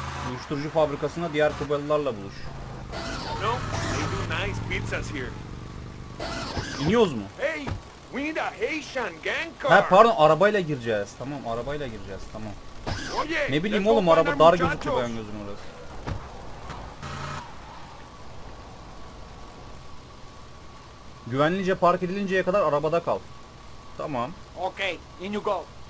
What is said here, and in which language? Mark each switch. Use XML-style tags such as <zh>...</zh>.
<tr>Uyuşturucu fabrikasında diğer Kubalılarla buluş.</tr> <en>No, they do nice pizzas here.</en> <tr>İniyoruz mu? Hey.</tr> <en>We need a Haitian gang car.</en> <tr>Ha pardon, arabayla gireceğiz. Tamam, arabayla gireceğiz. Tamam.</tr> <es>Oye,</es> <tr>ne bileyim oğlum, araba dar gözüküyor benim gözüm orası. Güvenlice park edilinceye kadar arabada kal. Tamam.</tr> <en>Okay, in you go.</en>